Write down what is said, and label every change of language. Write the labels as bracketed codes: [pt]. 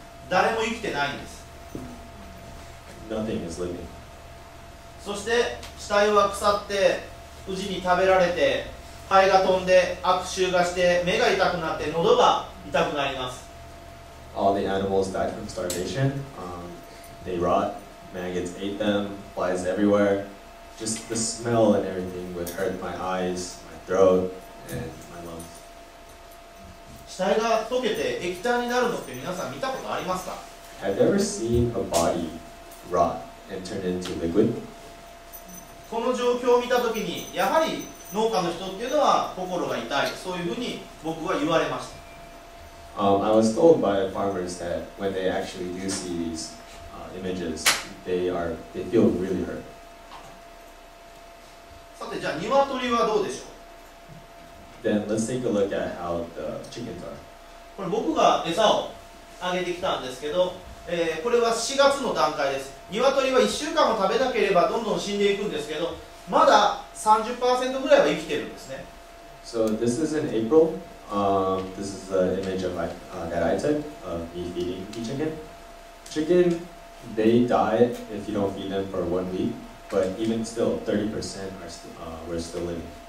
[ja] 誰も生きてないんです。 [en] Nothing is living. [ja] そして死体は腐って蛆に食べられて肺が飛んで悪臭がして目が痛くなって喉が痛くなります。 [en] All the animals died from starvation. They rot. Maggots ate them. Flies everywhere. Just the smell and everything would hurt my eyes, my throat, and my lungs. [ja] 死体が溶けて液体になるのって皆さん見たことありますか？ [en] Have you ever seen a body rot and turn into liquid? [ja] この状況を見たときにやはり農家の人っていうのは心が痛い、そういうふうに僕は言われました。 [en] I was told by farmers that when they actually do see these、images, they feel really hurt. [ja] さて、じゃあ鶏はどうでしょう？ [en] Then let's take a look at how the chickens are. [ja] これ僕が餌をあげてきたんですけど、これは4月の段階です。鶏は1週間も食べなければどんどん死んでいくんですけど、まだ 30% ぐらいは生きてるんですね。 [en] So this is in April. This is the image of that I took of me feeding the chicken. Chicken, they die if you don't feed them for 1 week, but even still, 30% are still, were still living.